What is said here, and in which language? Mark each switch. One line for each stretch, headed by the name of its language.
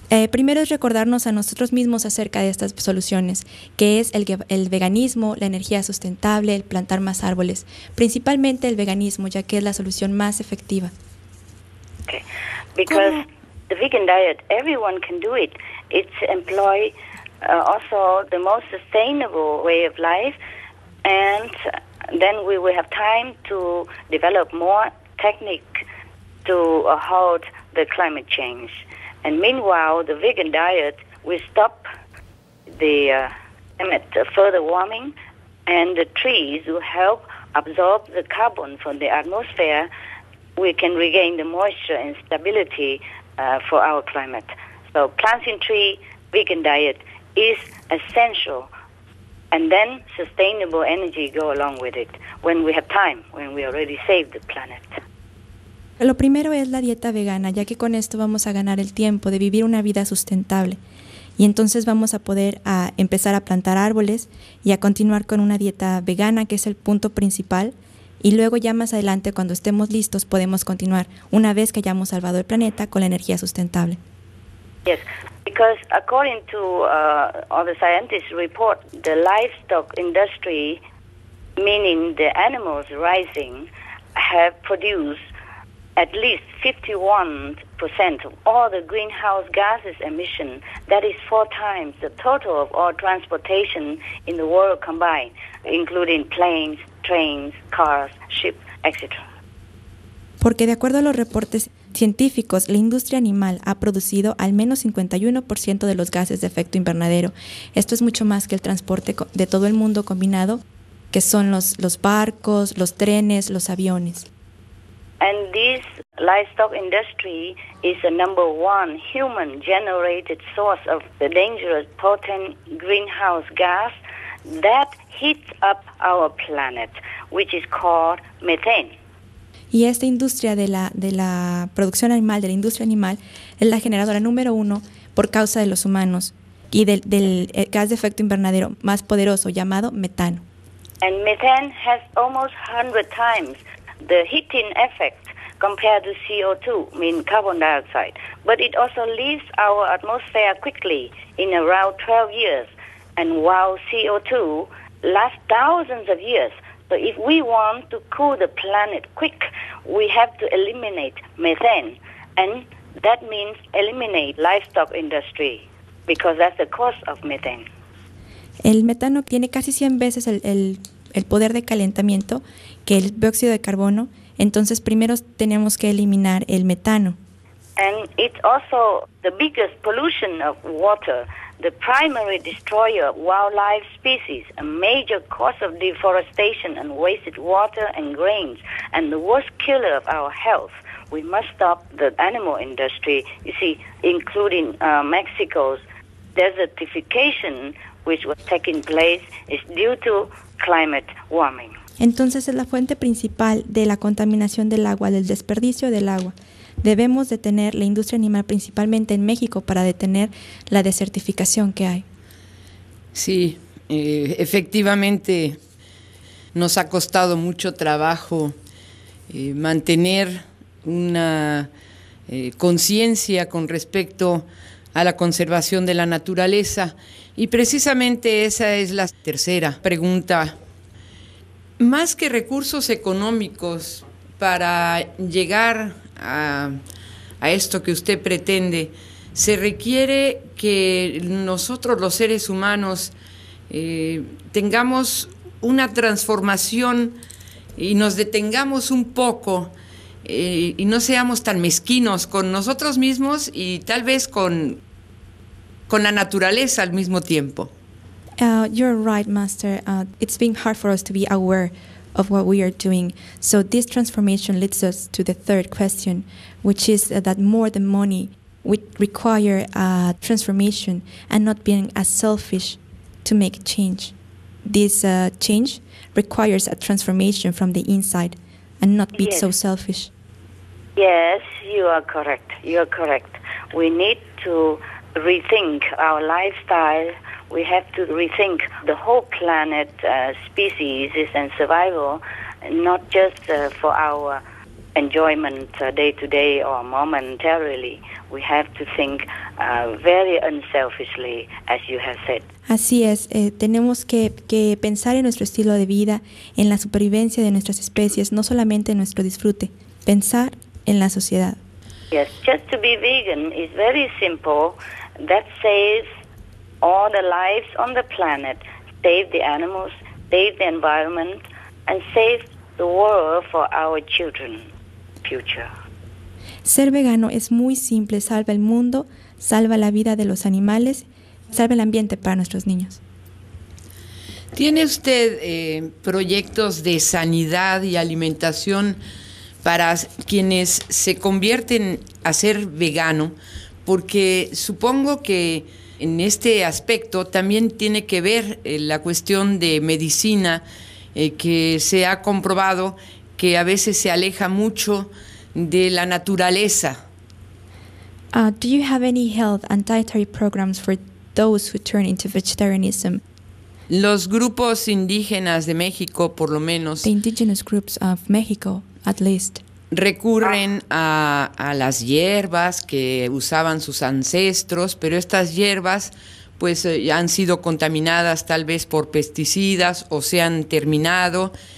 Spanish: Primero es recordarnos a nosotros mismos acerca de estas soluciones, que es el veganismo, la energía sustentable, el plantar más árboles, principalmente el veganismo, ya que es la solución más efectiva.
English: Okay. Because the vegan diet, everyone can do it. It's employ also the most sustainable way of life, and then we will have time to develop more technique to halt the climate change. And meanwhile, the vegan diet will stop the further warming, and the trees will help absorb the carbon from the atmosphere. We can regain the moisture and stability for our climate. So planting tree, vegan diet is essential, and then sustainable energy go along with it when we have time, when we already saved the planet.
Spanish: Lo primero es la dieta vegana, ya que con esto vamos a ganar el tiempo de vivir una vida sustentable. Y entonces vamos a poder empezar a plantar árboles y a continuar con una dieta vegana, que es el punto principal. Y luego ya más adelante, cuando estemos listos, podemos continuar, una vez que hayamos salvado el planeta, con la energía sustentable.
English: Yes, because according to all the scientists report, the livestock industry, meaning the animals raising, have produced at least 51% of all the greenhouse gases emission. That is four times the total of all transportation in the world combined, including planes, trains, cars, ships, etc.
Spanish: Porque de acuerdo a los reportes científicos, la industria animal ha producido al menos 51% de los gases de efecto invernadero. Esto es mucho más que el transporte de todo el mundo combinado, que son los barcos, los trenes, los aviones.
English: And this livestock industry is the number one human-generated source of the dangerous potent greenhouse gas that heats up our planet, which is called methane.
Spanish: Y esta industria de la producción animal, de la industria animal, es la generadora número uno por causa de los humanos y del gas de efecto invernadero más poderoso llamado metano.
English: And methane has almost 100 times the heating effect compared to CO2, mean carbon dioxide. But it also leaves our atmosphere quickly in around 12 years. And while CO2 lasts thousands of years, so if we want to cool the planet quick, we have to eliminate methane. And that means eliminate livestock industry, because that's the cause of methane.
Spanish: El metano tiene casi 100 veces el poder de calentamiento que el dióxido de carbono, entonces primero tenemos que eliminar el metano.
English: And it's also the biggest pollution of water, the primary destroyer of wildlife species, a major cause of deforestation and wasted water and grains, and the worst killer of our health. We must stop the animal industry, you see, including Mexico's desertification, which was taking place, is due to climate warming.
Spanish: Entonces es la fuente principal de la contaminación del agua, del desperdicio del agua. Debemos detener la industria animal principalmente en México para detener la desertificación que hay. Sí, efectivamente nos ha costado mucho trabajo mantener una conciencia con respecto a la conservación de la naturaleza. Y precisamente esa es la tercera pregunta. Más que recursos económicos para llegar a esto que usted pretende, se requiere que nosotros los seres humanos tengamos una transformación y nos detengamos un poco y no seamos tan mezquinos con nosotros mismos y tal vez con la naturaleza al mismo tiempo.
English: You're right, Master. It's been hard for us to be aware of what we are doing. So this transformation leads us to the third question, which is that more than money, we require a transformation and not being as selfish to make change. This change requires a transformation from the inside and not being so selfish. Yes, you are correct. You are correct. We need to rethink our lifestyle. we have to rethink the whole planet, species and survival, not just for our enjoyment day to day or momentarily. We have to think very unselfishly, as you have said.
Spanish: Así es, tenemos que pensar en nuestro estilo de vida, en la supervivencia de nuestras especies, no solamente en nuestro disfrute, pensar en la sociedad.
English: Yes, just to be vegan is very simple. That saves all the lives on the planet, save the animals, save the environment, and save the world for our children's future.
Spanish: Ser vegano es muy simple, salva el mundo, salva la vida de los animales, salva el ambiente para nuestros niños. ¿Tiene usted proyectos de sanidad y alimentación para quienes se convierten a ser vegano? Porque supongo que en este aspecto también tiene que ver la cuestión de medicina, que se ha comprobado que a veces se aleja mucho de la naturaleza.
English: Do you have any health and dietary programs for those who turn into vegetarianism?
Spanish: Los grupos indígenas de México, por lo menos.
English: The indigenous groups of Mexico, at least.
Spanish: Recurren a las hierbas que usaban sus ancestros, pero estas hierbas pues han sido contaminadas tal vez por pesticidas o se han terminado.